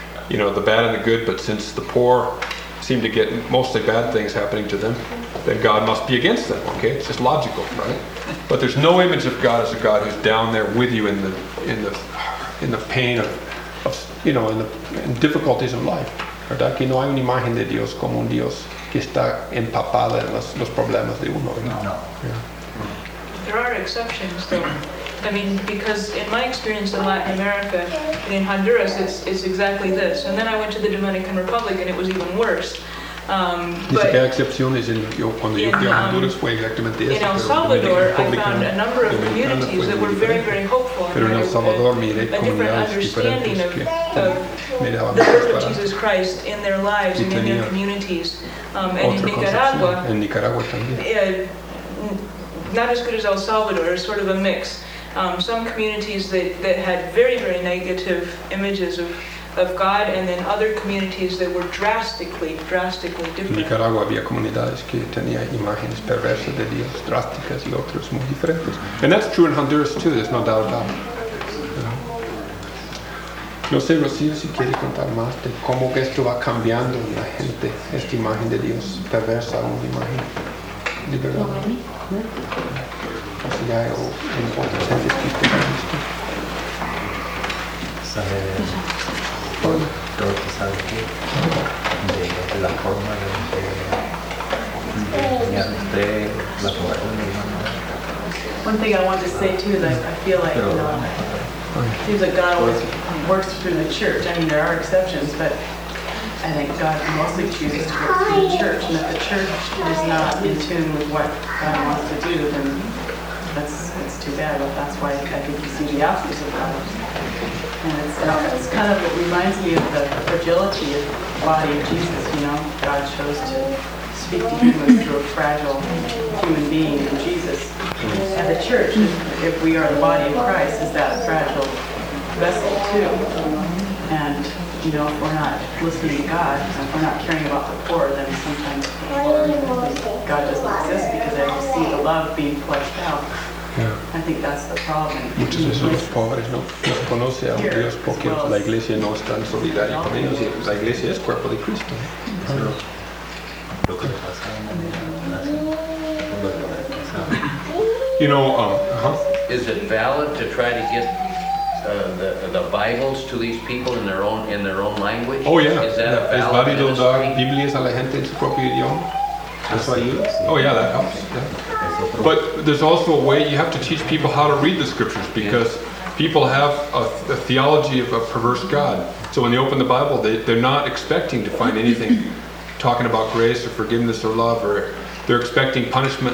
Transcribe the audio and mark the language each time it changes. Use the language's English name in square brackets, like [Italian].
[English] You know, the bad and the good, but since the poor seem to get mostly bad things happening to them, then God must be against them, okay? It's just logical, right? But there's no image of God as a God who's down there with you in the pain of you know, in difficulties of life. [Spanish] ¿Verdad? Que no hay una imagen de Dios como un Dios que está empapado en los problemas de uno. No. [English] Yeah. There are exceptions, though. I mean, because in my experience in Latin America, in Honduras, it's exactly this. And then I went to the Dominican Republic, and it was even worse. [Spanish] Dice que hay excepciones cuando yo fui a Honduras fue exactamente eso. [English] In El Salvador, I found a number of communities that were very, very hopeful. [Spanish] Pero en El Salvador, miré comunidades diferentes que me daban más esperanza. [English] The birth of Jesus Christ in their lives and in their communities. [Spanish] En Nicaragua también. [English] Not as good as El Salvador, sort of a mix. Some communities that had very, very negative images of God, and then other communities that were drastically, drastically different. [Spanish] En Nicaragua había comunidades que tenía imágenes perversas de Dios, drásticas y otros muy diferentes. [English] And that's true in Honduras too, there's no doubt about it. [Spanish] No sé, Rocío, si quieres contar más de cómo que esto va cambiando en la gente, esta imagen de Dios perversa, una imagen liberada. Si hay otra gente que te ha visto. Todo lo que sabe que de la forma de la forma de mi mamá. [English] One thing I want to say too is I feel like it seems like God always works through the church. I mean, there are exceptions, but I think God mostly chooses to work through the church, and if the church is not in tune with what God wants to do, then that's too bad. But that's why I think you see the opposite of God. And it's kind of, it reminds me of the fragility of the body of Jesus, you know? God chose to speak to humans through a fragile human being in Jesus. And the church, if we are the body of Christ, is that fragile vessel too. And, you know, if we're not listening to God, if we're not caring about the poor, then sometimes God doesn't exist because I just see the love being flushed out. Yeah. I think that's the problem. [Spanish] Muchos de esos pobres no conocen a un Dios porque la iglesia no está en solidaridad con ellos. La iglesia es cuerpo de Cristo. [English] You know, Is it valid to try to get the Bibles to these people in their own language? Oh yeah. Is that a valid ministry? [Spanish] Dar Biblias a la gente en su propio idioma? [English] That's why you. Oh yeah, that helps. Yeah. But there's also a way you have to teach people how to read the scriptures, because people have a theology of a perverse God. So when they open the Bible, they're not expecting to find anything talking about grace or forgiveness or love, or they're expecting punishment.